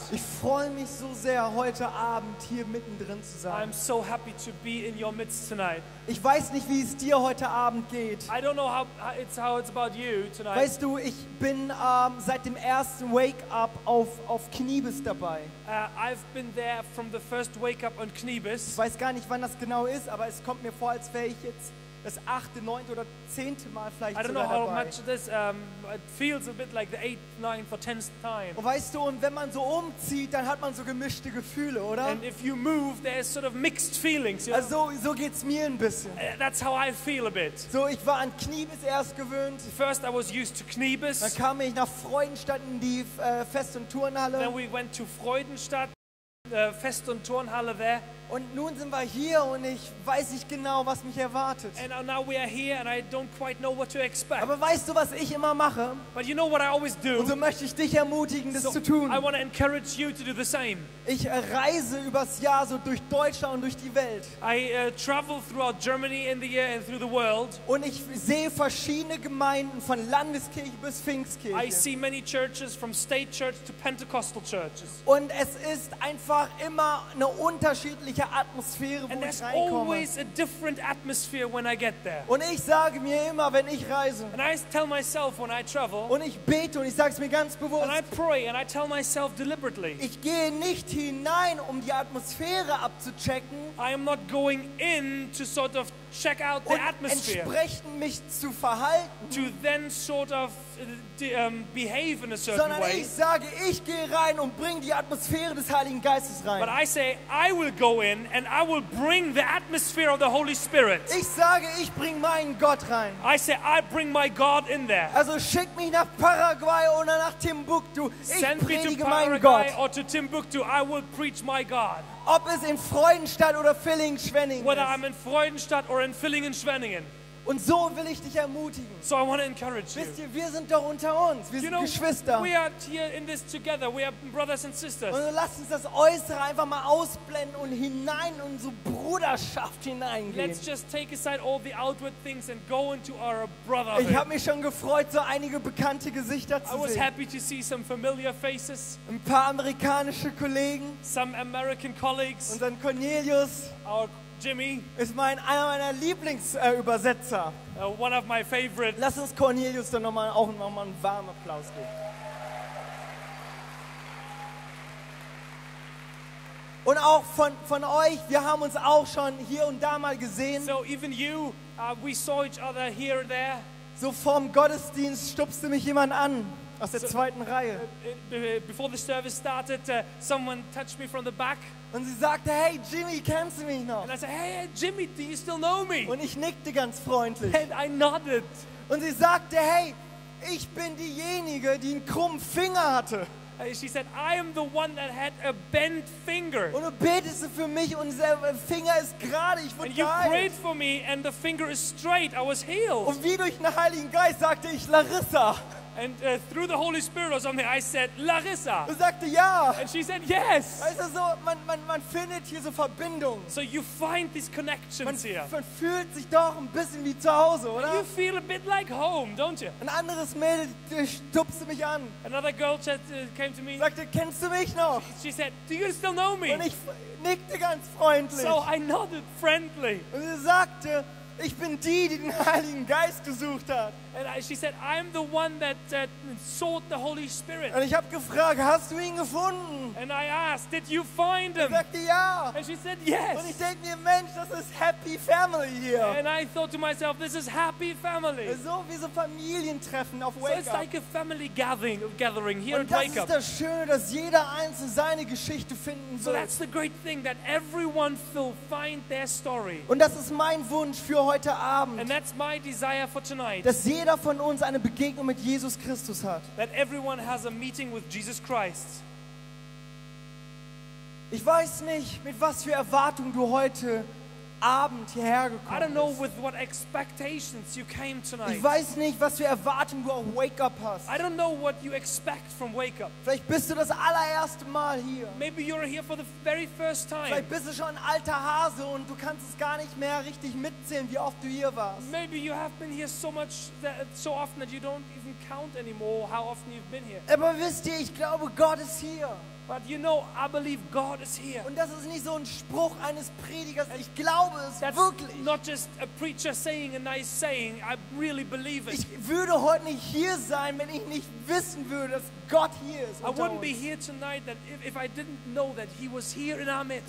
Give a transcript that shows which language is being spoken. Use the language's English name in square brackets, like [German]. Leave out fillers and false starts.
[German] Ich freue mich so sehr, heute Abend hier mittendrin zu sein. [English] I'm so happy to be in your midst tonight. [German] Ich weiß nicht, wie es dir heute Abend geht. [English] I don't know how it's about you tonight. [German] Weißt du, ich bin seit dem ersten Wake-up auf Kniebis dabei. [English] I've been there from the first wake-up on Kniebis. [German] Ich weiß gar nicht, wann das genau ist, aber es kommt mir vor, als wäre ich jetzt das achte, neunte oder zehnte Mal vielleicht sogar dabei. [English] I don't know how much it is. It feels a bit like the eighth, ninth or tenth time. [German] Und weißt du, und wenn man so umzieht, dann hat man so gemischte Gefühle, oder? [English] And if you move, there is sort of mixed feelings. [German] Also so geht's mir ein bisschen. [English] That's how I feel a bit. [German] So, ich war an Kniebis erst gewöhnt. [English] First I was used to Kniebis. [German] Dann kam ich nach Freudenstadt in die Fest- und Turnhalle. [English] Then we went to Freudenstadt. Fest- und Turnhalle there. [German] Und nun sind wir hier und ich weiß nicht genau, was mich erwartet. [English] And now we are here and I don't quite know what to expect. [German] Aber weißt du, was ich immer mache? [English] But you know what I always do. [German] Und so möchte ich dich ermutigen, das so zu tun. [English] I want to encourage you to do the same. [German] Ich reise übers Jahr so durch Deutschland und durch die Welt. [English] I travel throughout Germany in the year and through the world. [German] Und ich sehe verschiedene Gemeinden von Landeskirche bis Pfingstkirche. [English] I see many churches from state church to Pentecostal churches. [German] Und es ist einfach immer eine unterschiedliche Atmosphäre, wo [English] and [German] ich [English] there's [German] reinkomme. [English] Always a different atmosphere when I get there. [German] Und ich sage mir immer, wenn ich reise. [English] And I tell myself when I travel. [German] Und ich bete und ich sage es mir ganz bewusst. [English] And I pray and I tell myself deliberately. [German] Ich gehe nicht hinein, um die Atmosphäre abzuchecken. [English] I am not going in to sort of check out the [German] und [English] atmosphere. [German] Entsprechend mich zu verhalten. [English] To then sort of behave in a certain [German] sondern [English] way. [German] Ich sage, ich gehe rein und bring die Atmosphäre des Heiligen Geistes rein. [English] But I say, I will go in and I will bring the atmosphere of the Holy Spirit. [German] Ich sage, ich bring meinen Gott rein. [English] I say, I bring my God in there. [German] Also schick mich nach Paraguay oder nach Timbuktu. Ich [English] send [German] predige [English] me to Paraguay [German] meinen Gott. [English] Or to Timbuktu, I will preach my God. [German] Ob es in Freudenstadt oder Villingen-Schwenningen [English] whether [German] ist. [English] I'm in Freudenstadt or in Villingen-Schwenningen. [German] Und so will ich dich ermutigen. [English] So I want to encourage you. [German] Wisst ihr, wir sind doch unter uns. Wir [English] you [German] sind [English] know, [German] Geschwister. [English] We are here in this together. We are brothers and sisters. [German] Und lasst uns das Äußere einfach mal ausblenden und hinein in unsere Bruderschaft hineingehen. [English] Let's just take aside all the outward things and go into our brotherhood. [German] Ich habe mich schon gefreut, so einige bekannte Gesichter zu sehen. [English] I was happy to see some familiar faces. [German] Ein paar amerikanische Kollegen. [English] Some American colleagues. [German] Unseren Cornelius. [English] Our Jimmy [German] ist einer meiner Lieblingsübersetzer. [English] One of my favorite. [German] Lass uns Cornelius dann noch mal einen warmen Applaus geben. Und auch von euch, wir haben uns auch schon hier und da mal gesehen. [English] So even you, we saw each other here and there. [German] So vorm Gottesdienst stupste mich jemand an. Aus der zweiten Reihe. [English] Before the service started, someone touched me from the back. [German] Und sie sagte, hey Jimmy, kennst du mich noch? [English] And I said, hey Jimmy, do you still know me? [German] Und ich nickte ganz freundlich. [English] And I nodded. [German] Und sie sagte, hey, ich bin diejenige, die einen krummen Finger hatte. [English] She said, I am the one that had a bent finger. [German] Und du betest für mich und der Finger ist gerade, ich wurde geheilt. [English] And you prayed for me and the finger is straight, I was healed. [German] Und wie durch den Heiligen Geist sagte ich, Larissa. [English] And through the Holy Spirit or something, I said, Larissa. [German] Du sagte ja. [English] And she said, yes. [German] Also so, man findet hier so Verbindung. [English] So you find these connections [German] man, [English] here. [German] Man fühlt sich doch ein bisschen wie zu Hause, oder? [English] You feel a bit like home, don't you? [German] Ein anderes Mädel stupste mich an. [English] Another girl just, came to me. [German] Sagte, kennst du mich noch? [English] She said, do you still know me? [German] Und ich nickte ganz freundlich. [English] So I nodded friendly. [German] Und sie sagte, ich bin die den Heiligen Geist gesucht hat. [English] And she said, I'm the one that sought the Holy Spirit. [German] Und ich habe gefragt, hast du ihn gefunden? [English] And I asked, did you find him? [German] Und sagte ja. [English] And she said, yes. [German] Und ich denke mir, Mensch, das ist [English] happy family [German] hier. [English] And I thought to myself, this is happy family. [German] So wie so Familientreffen auf Wake Up. [English] So it's like a family gathering here [German] und [English] at Wake Up. [German] Und das ist das Schöne, dass jeder einzelne seine Geschichte finden wird. [English] So that's the great thing, that everyone will find their story. [German] Und das ist mein Wunsch für heute Abend. [English] And that's my desire for tonight. [German] Dass jeder von uns eine Begegnung mit Jesus Christus hat. [English] That everyone has a meeting with Jesus Christ. [German] Ich weiß nicht, mit was für Erwartungen du heute Abend hierher gekommen [English] I don't know with what expectations you came tonight. [German] Ich weiß nicht, was für Erwartungen du auf Wake Up hast. [English] I don't know what you expect from Wake Up. [German] Vielleicht bist du das allererste Mal hier. [English] Maybe you're here for the very first time. [German] Vielleicht bist du schon ein alter Hase und du kannst es gar nicht mehr richtig mitzählen, wie oft du hier warst. [English] Maybe you have been here so much that, so often that you don't even count anymore how often you've been here. [German] Aber wisst ihr, ich glaube, Gott ist hier. [English] But you know, I believe God is here. [German] Und das ist nicht so ein Spruch eines Predigers. Ich glaube es [English] That's [German] wirklich. [English] Not just a preacher saying a nice saying. I really believe it. [German] Ich würde heute nicht hier sein, wenn ich nicht wissen würde, dass Gott hier ist. [English] I wouldn't be here tonight that if I didn't know that He was here in our midst.